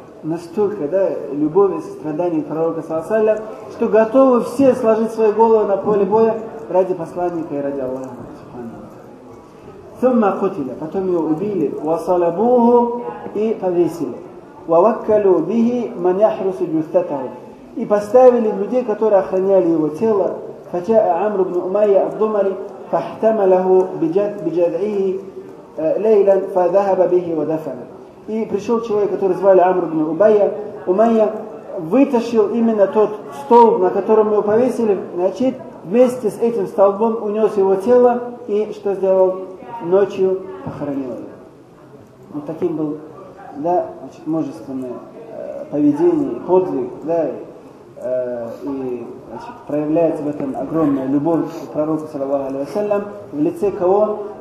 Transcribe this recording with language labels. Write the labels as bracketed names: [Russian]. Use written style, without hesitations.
[Russian] Настолько, да, любовь и сострадание пророка Саласаля, что готовы все сложить свои головы на поле боя ради посланника и ради Аллаха. [Arabic] ثم قتل [Russian] потом его убили [Arabic] وصلبوه [Russian] и повесили [Arabic] ووكلوا به من يحرس جثته [Russian] и поставили людей, которые охраняли его тело. [Arabic] فجاء عمرو بن أمية الضمري فاحتمله بجذعه ليلا فذهب به ودفن. [Russian] И пришел человек, который звали Амру ибн Убайя. Умайя вытащил именно тот столб, на котором его повесили, значит, вместе с этим столбом унес его тело и что сделал? Ночью похоронил его. Вот таким был, да, значит, мужественное поведение, подвиг, да, и, значит, проявляется в этом огромная любовь к пророку, саллаллаху алейхи ва саллям, в лице кого?